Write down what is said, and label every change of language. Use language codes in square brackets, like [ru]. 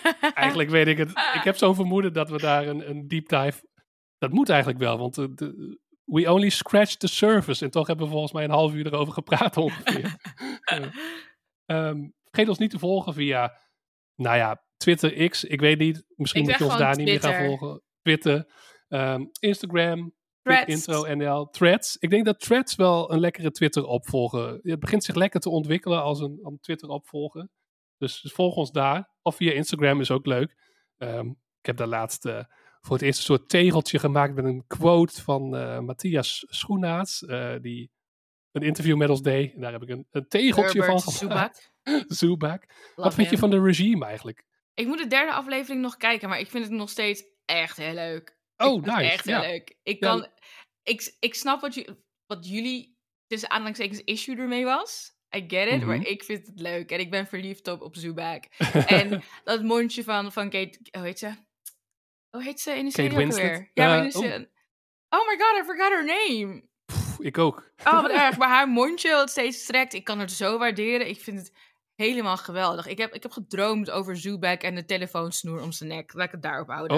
[nl] Ja, eigenlijk weet ik het. Ik heb zo'n vermoeden dat we daar een deep dive... Dat moet eigenlijk wel, want [en] we only scratch the surface. [nl] En toch hebben we volgens mij een half uur erover gepraat ongeveer. vergeet ons niet te volgen via, Twitter X. Ik weet niet, misschien moet je ons daar niet meer gaan volgen. Twitter, Instagram, Intro NL, Threads. Ik denk dat Threads wel een lekkere Twitter opvolger. Het begint zich lekker te ontwikkelen als een Twitter opvolger. Dus volg ons daar. Of via Instagram is ook leuk. Ik heb daar laatst... voor het eerst een soort tegeltje gemaakt met een quote van Matthias Schoenaerts, die een interview met ons deed. En daar heb ik een tegeltje Herbert van gemaakt. Zubak. Zubak. Wat vind je van de regime eigenlijk? Ik moet de derde aflevering nog kijken, maar ik vind het nog steeds echt heel leuk. Oh, ik nice. Echt heel leuk. Ik snap wat jullie tussen aanhalingstekens issue ermee was. [en] I get it, [nl] maar ik vind het leuk. En ik ben verliefd op Zubak. En dat mondje van Kate, hoe heet ze? Hoe heet ze in de serie ook weer? Ja, [en] oh my god, I forgot her name. [nl] Ik ook. Oh, wat erg. Maar haar mondje wat steeds strekt. Ik kan het zo waarderen. Ik vind het helemaal geweldig. Ik heb gedroomd over Zubak en de telefoonsnoer om zijn nek. Laat ik het daarop houden.